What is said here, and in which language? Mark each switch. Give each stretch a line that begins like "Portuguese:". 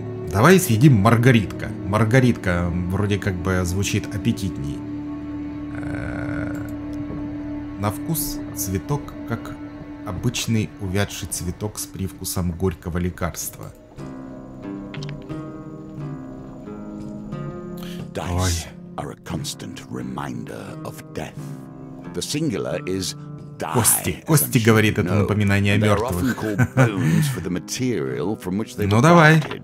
Russian: Давай съедим маргаритка. Маргаритка вроде как бы звучит аппетитней. На вкус цветок как обычный увядший цветок с привкусом горького лекарства.
English: Dice are a constant reminder of death. The singular is
Russian: Кости. Кости, говорит, это напоминание о мертвых. Ну давай.